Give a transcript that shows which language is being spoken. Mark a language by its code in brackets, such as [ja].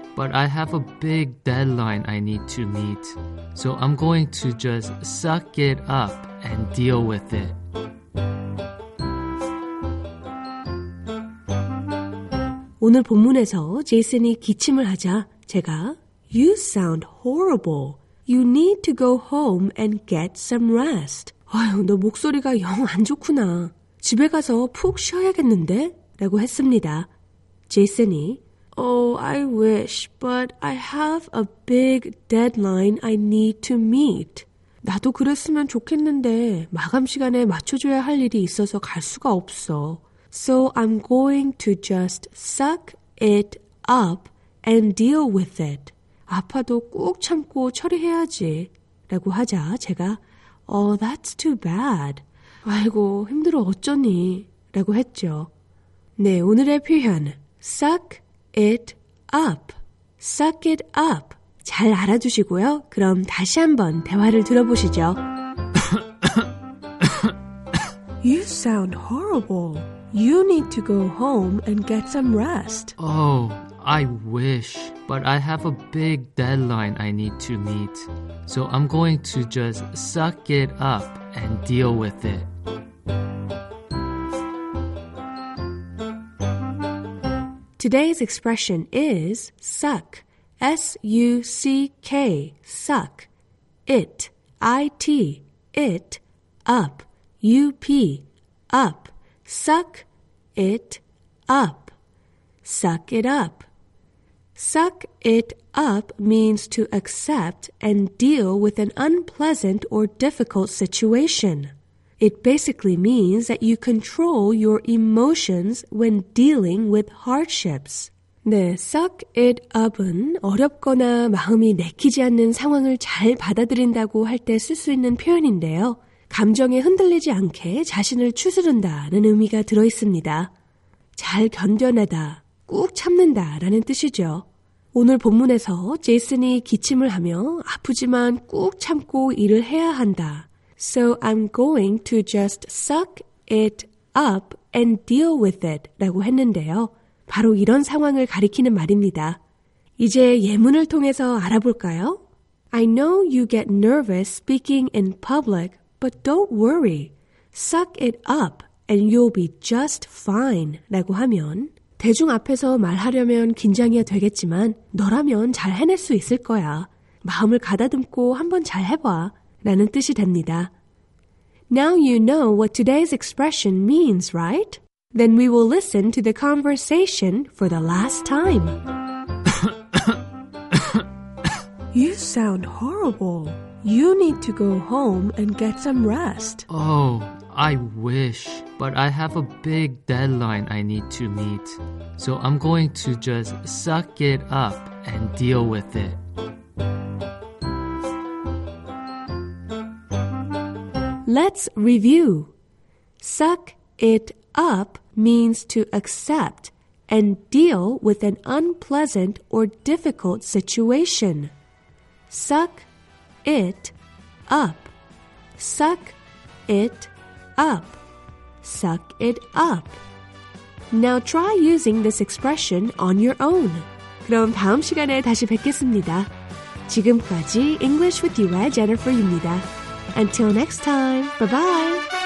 [en] But I have a big deadline I need to meet. So I'm going to just suck it up and deal with it. [ko] 오늘 본문에서 제이슨이 기침을 하자 제가 [en] You sound horrible. You need to go home and get some rest. [ko] 아유, 너 목소리가 영 안 좋구나. 집에 가서 푹 쉬어야겠는데? 라고 했습니다. 제이슨이 [en] Oh, I wish, but I have a big deadline I need to meet. [ko] 나도 그랬으면 좋겠는데 마감 시간에 맞춰줘야 할 일이 있어서 갈 수가 없어. [en] So I'm going to just suck it up and deal with it. [ko] 아파도 꼭 참고 처리해야지 라고 하자 제가 [en] Oh, that's too bad. [ko] 아이고, 힘들어 어쩌니? 라고 했죠. 네, 오늘의 표현 suck it up. [en] Suck it up. [ko] 잘 알아두시고요. 그럼 다시 한번 대화를 들어보시죠. [en] You sound horrible. You need to go home and get some rest. Oh, I wish, but I have a big deadline I need to meet. So I'm going to just suck it up and deal with it. 'Today's expression is suck, S-U-C-K, suck, it, I-T, it, up, U-P, up, suck it up, suck it up. Suck it up means to accept and deal with an unpleasant or difficult situation. It basically means that you control your emotions when dealing with hardships. [ko] 네, suck it up은 어렵거나 마음이 내키지 않는 상황을 잘 받아들인다고 할 때 쓸 수 있는 표현인데요. 감정에 흔들리지 않게 자신을 추스른다는 의미가 들어 있습니다. 잘 견뎌내다, 꾹 참는다라는 뜻이죠. 오늘 본문에서 제이슨이 기침을 하며 아프지만 꾹 참고 일을 해야 한다. [en] So I'm going to just suck it up and deal with it [ko] 라고 했는데요. 바로 이런 상황을 가리키는 말입니다. 이제 예문을 통해서 알아볼까요? [en] I know you get nervous speaking in public, but don't worry. Suck it up and you'll be just fine [ko] 라고 하면 대중 앞에서 말하려면 긴장이야 되겠지만 너라면 잘 해낼 수 있을 거야. 마음을 가다듬고 한번 잘 해봐. 라는 뜻이 됩니다. [en] Now you know what today's expression means, right? Then we will listen to the conversation for the last time. You sound horrible. You need to go home and get some rest. Oh, I wish, but I have a big deadline I need to meet. So I'm going to just suck it up and deal with it. Let's review. Suck it up means to accept and deal with an unpleasant or difficult situation. Suck it up. Suck it up. Suck it up. Now try using this expression on your own. [ko] 그럼 다음 시간에 다시 뵙겠습니다. 지금까지 [en] English with you의 Jennifer입니다. Until next time, bye-bye.